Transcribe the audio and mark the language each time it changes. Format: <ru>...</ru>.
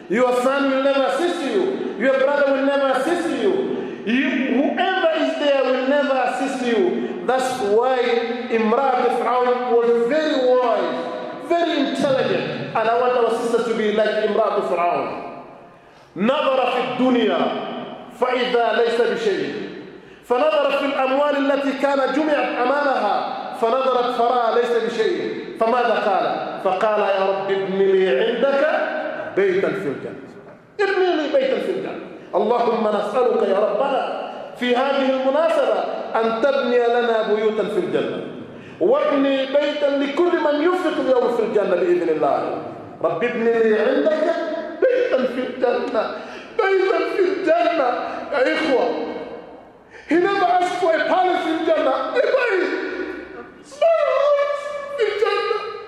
<en>Your son will never assist you. Your brother will never assist you. Whoever is there will never assist you. That's why Imrat Fir'aun was very wise, very intelligent. And I want our sister to be like Imrat Fir'aun.</en> <ar>نظر في الدنيا فإذا ليس بشيء فنظر في الأموال التي كان جمعت أمامها فنظرت فراء ليس بشيء فماذا قال؟ فقال يا رب ابن لي عندك بيتا في الجنة. ابن لي بيتا في الجنة. اللهم نسألك يا ربنا في هذه المناسبة أن تبني لنا بيوتا في الجنة وابني بيتا لكل من يفق اليوم في الجنة بإذن الله. رب ابني لي عندك بيتا في الجنة. بيتا في الجنة يا إخوة.</ar> <en>He never asked for a palace in الجنة. A bait. Small rooms</en> <ar>في الجنة.</ar>